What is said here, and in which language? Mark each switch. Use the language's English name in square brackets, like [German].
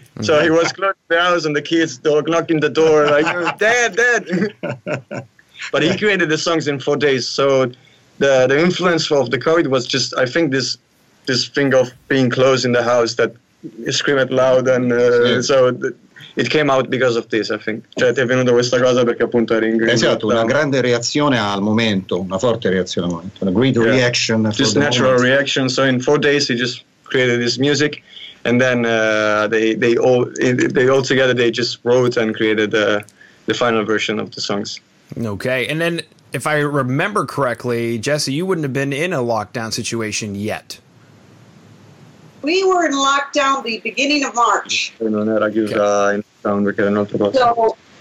[English] So he was close to the house and the kids knocking the door, like, Dad. But he created the songs in 4 days. So the influence of the COVID was just, I think, this thing of being close in the house that screamed loud, and it came out because of this, I think. [Italian] Cioè, ti è venuta questa cosa perché appunto eri in grado. Esatto, una grande reazione al momento, una forte reazione al momento, una [English] great reaction. Just natural reaction. So in 4 days he just created this music, and then they all together they just wrote and created the final version of the songs. Okay, and then if I remember correctly, Jesse, you wouldn't have been in a lockdown situation yet. We were in lockdown the beginning of March. [Italian] Non era chiusa in lockdown perché era un altro posto.